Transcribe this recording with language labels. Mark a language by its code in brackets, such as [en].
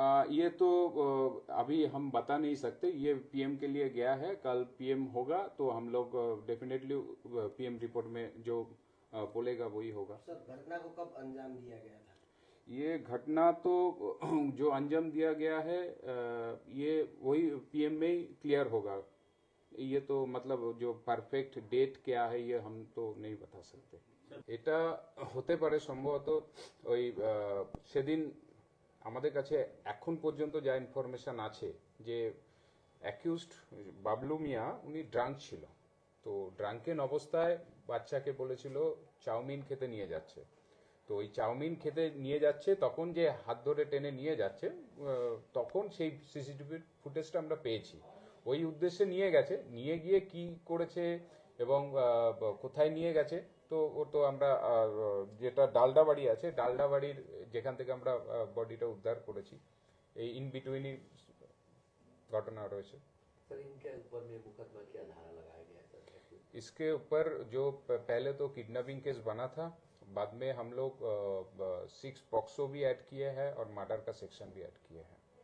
[hi] ये तो अभी हम बता नहीं सकते, ये पीएम के लिए गया है, कल पीएम होगा तो हम लोग डेफिनेटली पीएम रिपोर्ट में जो बोलेगा वही होगा। सर घटना को कब अंजाम दिया गया था? ये घटना तो जो अंजाम दिया गया है ये वही पीएम में ही क्लियर होगा, ये तो मतलब जो परफेक्ट डेट क्या है ये हम तो नहीं बता सकते। [bn] এটা হতে পারে সম্ভবত ওই সেদিন আমাদের কাছে এখন পর্যন্ত যা ইনফরমেশন আছে যে অ্যাকিউজড বাবলু মিয়া উনি ড্রাঙ্ক ছিল, তো ড্রাঙ্কেন অবস্থায় বাচ্চাকে বলেছিল চাউমিন খেতে নিয়ে যাচ্ছে। তো ওই চাউমিন খেতে নিয়ে যাচ্ছে তখন যে হাত ধরে টেনে নিয়ে যাচ্ছে তখন সেই সিসিটিভি ফুটেজটা আমরা পেয়েছি, ওই উদ্দেশ্যে নিয়ে গেছে, নিয়ে গিয়ে কি করেছে এবং কোথায় নিয়ে গেছে তো ও তো আমরা যেটা ডালডা বাড়ি আছে, ডালডা বাড়ির যেখান থেকে আমরা বডিটা উদ্ধার করেছি এই ইন বিটুইনই ঘটনা রয়েছে। [hi] इसके ऊपर जो पहले तो किडनैपिंग केस बना था, बाद में हम लोग सिक्स पॉक्सो भी ऐड किए हैं और मर्डर का सेक्शन भी ऐड किए हैं।